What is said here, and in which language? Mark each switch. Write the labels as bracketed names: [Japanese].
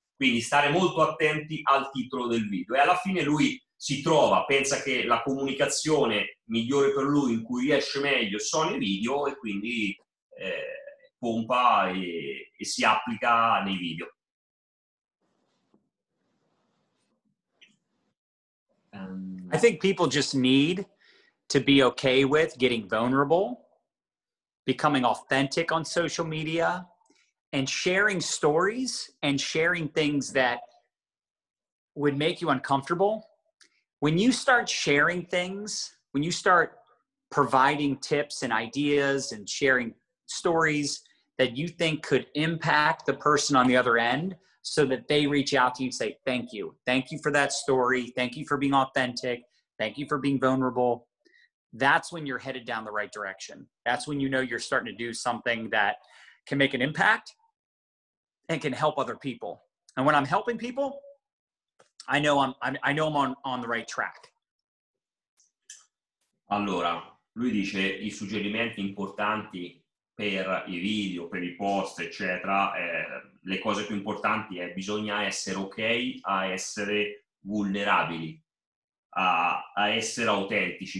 [Italian] Quindi stare molto attenti al titolo del video. E alla fine lui si trova, pensa che la comunicazione migliore per lui, in cui riesce meglio, sono i video, e quindi pompa e si applica nei video. [English] I think people just need to be okay with getting vulnerable, becoming authentic on social media, and sharing stories and sharing things that would make you uncomfortable. When you start sharing things, when you start providing tips and ideas and sharing stories that you think could impact the person on the other end, so that they reach out to you and say, thank you. Thank you for that story. Thank you for being authentic. Thank you for being vulnerable. That's when you're headed down the right direction. That's when you know you're starting to do something that can make an impact and can help other people. And when I'm helping people, I know I'm on the right track. [Italian] Allora, lui dice i suggerimenti importanti per i video, per i post, eccetera, le cose più importanti è bisogna essere ok a essere vulnerabili, a essere autentici.